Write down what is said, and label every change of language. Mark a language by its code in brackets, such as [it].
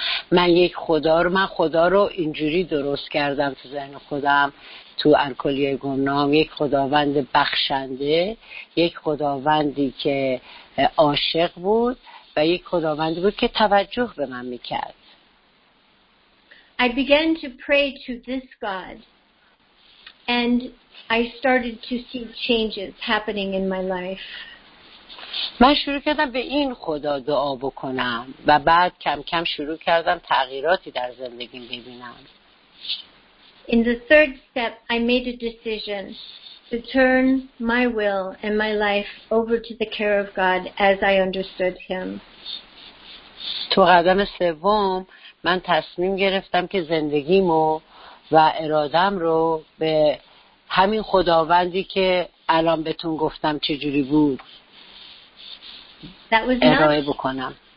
[fa] من یک خدا رو، من خدا رو اینجوری درست کردم تو ذهن خودم، تو الکلیه گمنام، یک خداوند بخشنده، یک خداوندی که عاشق بود و یک خداوندی بود که توجه به من میکرد. [en] I began to pray to this God, and I started to see changes happening in my life. [fa] من شروع کردم به این خدا دعا بکنم و بعد کم کم شروع کردم تغییراتی در زندگیم ببینم. [en] In the third step, I made a decision to turn my will and my life over to the care of God as I understood him. [fa] تو قدم سوم من تصمیم گرفتم که زندگیمو و ارادم رو به همین خداوندی که الان بهتون گفتم چجوری بود ارائه بکنم.